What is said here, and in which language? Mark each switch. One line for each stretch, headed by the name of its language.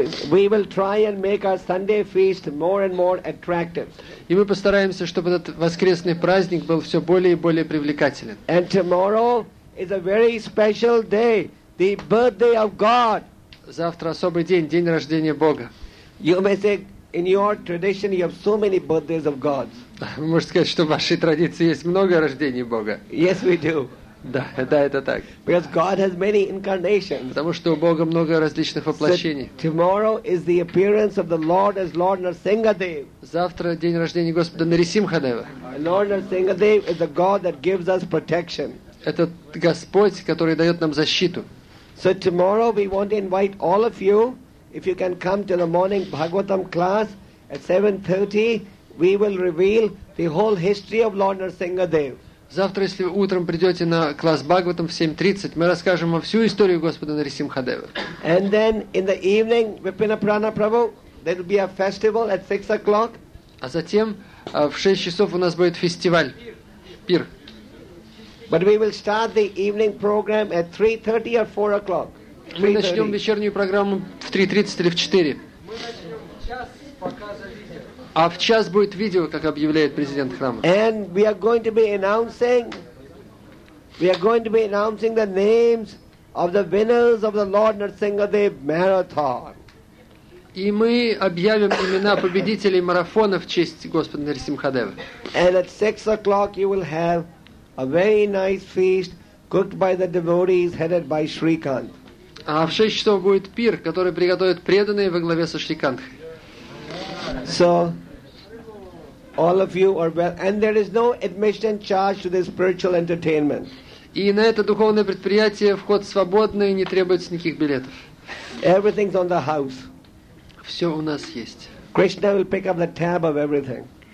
English: We will try and make our Sunday feast more and more attractive.
Russian: И мы постараемся, чтобы этот воскресный праздник был все более и более привлекателен.
English: And tomorrow is a very special day, the birthday of God.
Russian: Завтра особый день, день рождения Бога.
English: You may say, in your tradition, you have so many birthdays of God.
Russian: Вы можете сказать, что в вашей традиции есть много рождений Бога.
English: Yes, we do.
Russian: Да, это так.
English: Because God has many incarnations.
Russian: Потому что у Бога много различных воплощений.
English: So tomorrow is the appearance of the Lord as Lord Narsingadev.
Russian: Завтра день рождения Господа Нарисимхадева.
English: Lord Narsingadev is the God that gives us protection.
Russian: Это Господь, который дает нам защиту.
English: So tomorrow we want to invite all of you, if you can come to the morning Bhagavatam class at 7:30, we will reveal the whole history of Lord Narsingadev.
Russian: Завтра, если вы утром придете на класс Бхагаватам в 7:30, мы расскажем вам всю историю Господа Нарисимхадева.
English: And then in the evening, Vipinaparana Prabhu, there will be a festival at 6:00.
Russian: А затем в 6:00 у нас будет фестиваль, пир.
English: But we will start the evening program at 3:30 or 4:00.
Russian: Мы начнем вечернюю программу в 3:30 или в 4. А в час будет видео, как объявляет президент храма.
English: And we are going to be announcing the names of the winners of the Lord Narsingadev Marathon.
Russian: И мы объявим имена победителей марафона в честь Господа Нарисимхадева.
English: And at 6:00 you will have a very nice feast cooked by the devotees headed by Shrikant.
Russian: А в 6:00 будет пир, который приготовят преданные во главе со Шрикантхой.
English: So all of you are well, and there is no admission charge to this spiritual entertainment.
Russian: И на это духовное предприятие вход свободный, не требуется никаких билетов.
English: Everything's on the house.
Russian: Все у нас есть.
English: Krishna will pick up the tab of everything.